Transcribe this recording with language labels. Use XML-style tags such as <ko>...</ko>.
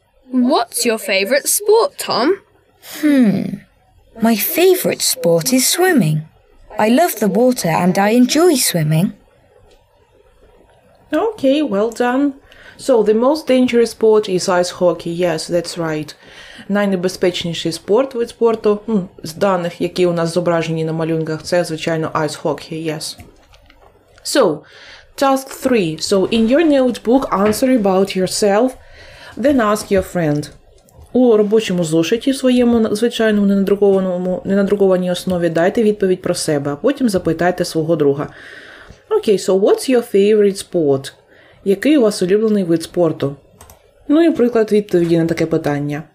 <en>What's your favourite sport, Tom? My favourite sport is swimming. I love the water and I enjoy swimming. Okay, well done. So, the most dangerous sport is ice hockey. Yes, that's right.</en> <uk>Найнебезпечніший спорт від спорту, з даних, які у нас зображені на малюнках, це, звичайно, ice hockey.</uk> <en>Yes. So, task 3. So, in your notebook, answer about yourself, then ask your friend.</en> <uk>У робочому зошиті своєму, звичайно, ненадрукованій основі, дайте відповідь про себе, а потім запитайте свого друга.</uk> <en>Okay, so what's your favorite sport?</en> <uk>Який у вас улюблений вид спорту? Ну і приклад відповіді на таке питання.</uk>